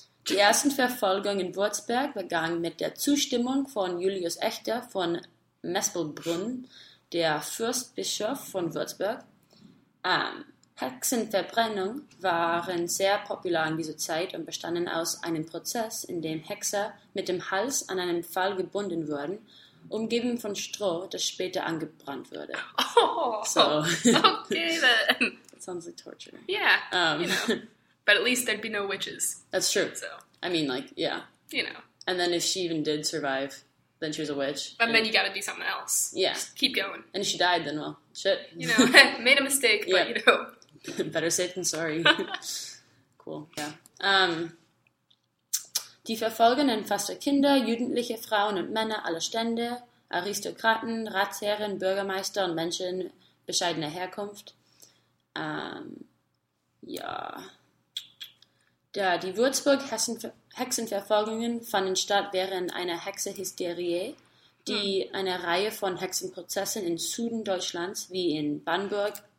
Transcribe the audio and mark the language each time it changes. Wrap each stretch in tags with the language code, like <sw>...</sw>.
<de>Die ersten Verfolgungen in Würzburg begannen mit der Zustimmung von Julius Echter von Mespelbrunn, der Fürstbischof von Würzburg. Hexenverbrennung waren sehr populär in dieser Zeit und bestanden aus einem Prozess, in dem Hexer mit dem Hals an einen Pfahl gebunden wurden, umgeben von Stroh, das später angebrannt wurde.</de> <en>Oh, so. Okay then. That sounds like torture. Yeah, But at least there'd be no witches. That's true. So I mean, like, yeah. You know. And then if she even did survive, then she was a witch. And then you gotta do something else. Yeah. Just keep going. And if she died, then, well, shit. You know, made a mistake, but, you know. Better safe than sorry. Cool, yeah.</en> <de>Die Verfolgenden fasste Kinder, jugendliche Frauen und Männer aller Stände, Aristokraten, Ratsherren, Bürgermeister und Menschen bescheidener Herkunft. Ja, die Würzburg-Hexenverfolgungen fanden statt während einer Hexenhysterie, die eine Reihe von Hexenprozessen in Süden Deutschlands wie in Bamberg,</de>